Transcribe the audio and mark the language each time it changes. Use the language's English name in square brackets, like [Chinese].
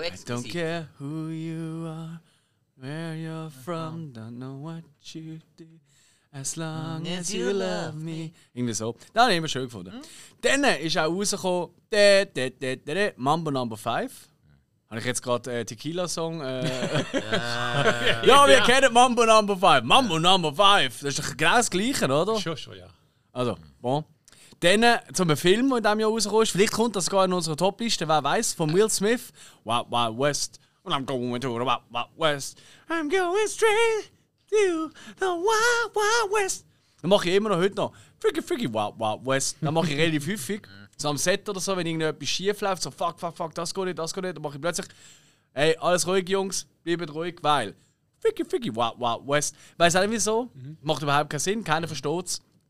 [English] exklusiv. I don't care who you are, where you're from, don't know what you do, as long as you love me. [German] Irgendwie so. Das habe ich immer schön gefunden. Dann ist auch rausgekommen «Mambo No. 5». Habe ich jetzt gerade Tequila-Song? ja, wir kennen «Mambo No. 5». «Mambo No. 5». Das ist doch genau das Gleiche, oder? Schon, ja. Also, bon. Dann zum Film, der in diesem Jahr rausgekommen ist. Vielleicht kommt das gar in unserer Top-Liste. Wer weiß? Von Will Smith. Wild Wild West. [English] And I'm going to the Wild Wild West. I'm going straight to the Wild Wild West. [German] Das mache ich immer noch heute noch. [English] Freaky Freaky Wild Wild West. [German] Das mache ich relativ häufig. So am Set oder so, wenn irgendetwas schief läuft. So fuck, fuck, fuck, das geht nicht. Dann mache ich plötzlich: Hey, alles ruhig, Jungs. Bleibt ruhig, weil. [English] Freaky Freaky Wild Wild West. [German] Weiß auch nicht wieso. Macht überhaupt keinen Sinn. Keiner versteht es.